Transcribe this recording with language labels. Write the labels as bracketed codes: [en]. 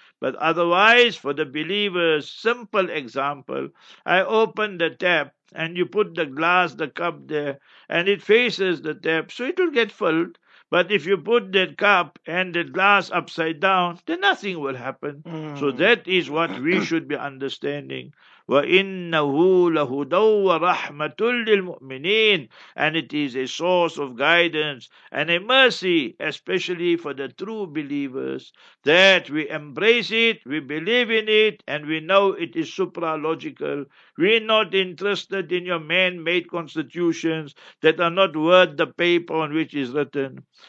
[en] But otherwise, for the believers, simple example, I open the tap and you put the glass, the cup there, and it faces the tap, so it will get filled. But if you put that cup and the glass upside down, then nothing will happen. So that is what we should be understanding. [ar] وإنه لهدى ورحمة للمؤمنين. [en] And it is a source of guidance and a mercy, especially for the true believers, that we embrace it, we believe in it, and we know it is supralogical. We're not interested in your man-made constitutions that are not worth the paper on which is written.